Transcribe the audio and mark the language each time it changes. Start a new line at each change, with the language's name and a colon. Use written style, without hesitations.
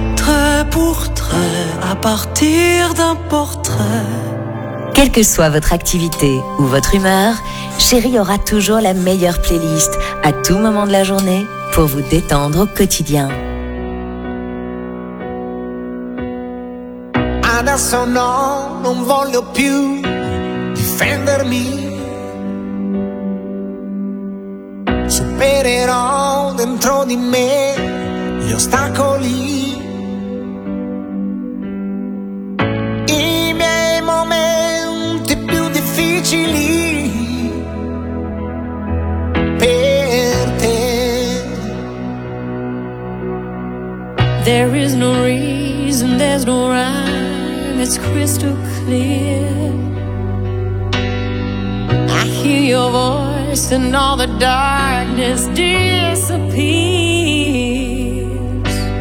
French: Trait pour trait, à partir d'un portrait. Quelle que soit votre activité ou votre humeur, Chérie aura toujours la meilleure playlist à tout moment de la journée pour vous détendre au quotidien.
Italian: Adesso no, non voglio più difendermi. Supererò dentro di me gli ostacoli. I miei momenti più difficili per te.
English: There is no reason, there's no rhyme, it's crystal clear. Your voice and all the darkness disappears.